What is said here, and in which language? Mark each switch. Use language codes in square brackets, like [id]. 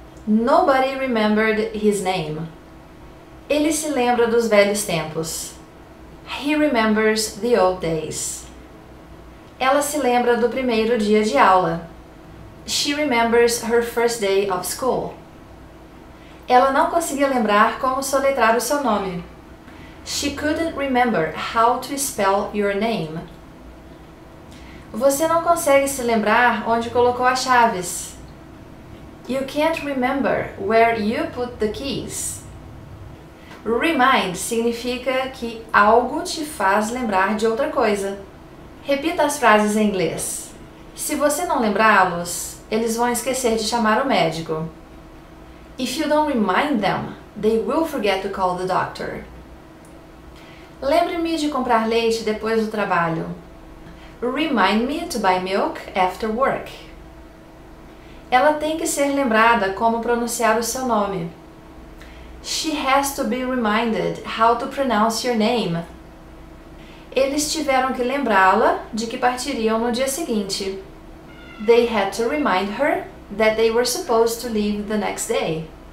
[en] Nobody remembered his name. [pt] Ele se lembra dos velhos tempos. [en] He remembers the old days. [pt] Ela se lembra do primeiro dia de aula. [en] She remembers her first day of school. [pt] Ela não conseguia lembrar como soletrar o seu nome. [en] She couldn't remember how to spell your name. [pt] Você não consegue se lembrar onde colocou as chaves. [en] You can't remember where you put the keys. [pt] Remind significa que algo te faz lembrar de outra coisa. Repita as frases em inglês. Se você não lembrá-los, eles vão esquecer de chamar o médico. [en] If you don't remind them, they will forget to call the doctor. [pt] Lembre-me de comprar leite depois do trabalho. [en] Remind me to buy milk after work. [pt] Ela tem que ser lembrada como pronunciar o seu nome. [en] She has to be reminded how to pronounce your name. [pt] Eles tiveram que lembrá-la de que partiriam no dia seguinte. [en] They had to remind her that they were supposed to leave the next day.